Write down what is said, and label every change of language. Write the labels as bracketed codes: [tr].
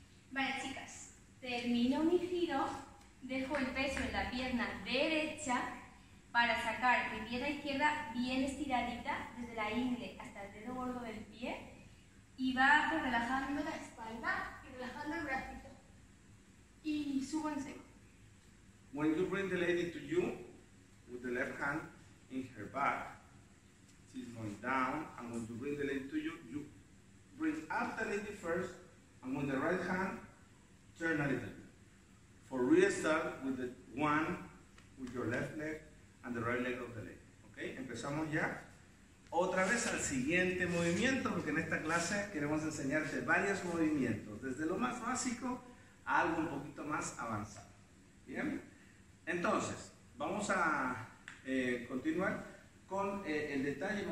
[es] Vale, chicas, termino mi giro, dejo el peso en la pierna derecha para sacar mi pierna izquierda bien estiradita desde la ingle hasta el dedo gordo del pie y va relajando la espalda y relajando el bracito. [en] When you bring the lady to you with the left hand in her back, she's going down, and when you bring the lady to you, you bring up the lady first, and with the right hand, turn a little bit. For restart with the one with your left leg and the right leg of the lady. [es] Okay? Empezamos ya. Otra vez al siguiente movimiento, porque en esta clase queremos enseñarte varios movimientos, desde lo más básico algo un poquito más avanzado. ¿Bien? Entonces, vamos a continuar con el detalle.